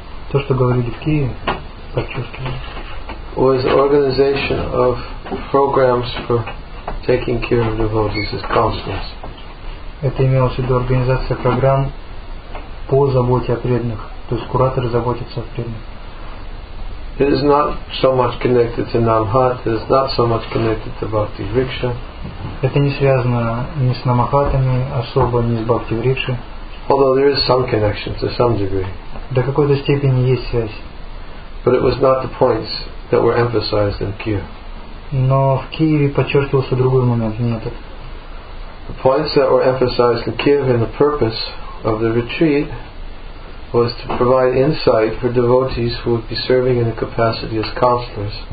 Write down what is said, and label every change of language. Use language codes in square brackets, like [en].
[ru] То, что говорили в Киеве, подчеркивали. [en] Was organization of programs for taking care of devotees as counselors. [ru] Это имелось в виду организация программ по заботе о преданных, то есть кураторы заботятся о преданных. [en] It is not so much connected to Namahat. It is not so much connected to Bhakti Vriksha. [ru] Это не связано ни с Намахатами особо, ни с Бхакти Врикши. [en] Although there is some connection to some degree. [ru] До какой-то степени есть связь. [en] But it was not the points that were emphasized in Kiev. [ru] Но в Киеве подчеркивался другой момент, не этот. [en] The points that were emphasized in Kiev and the purpose of the retreat was to provide insight for devotees who would be serving in the capacity as counselors.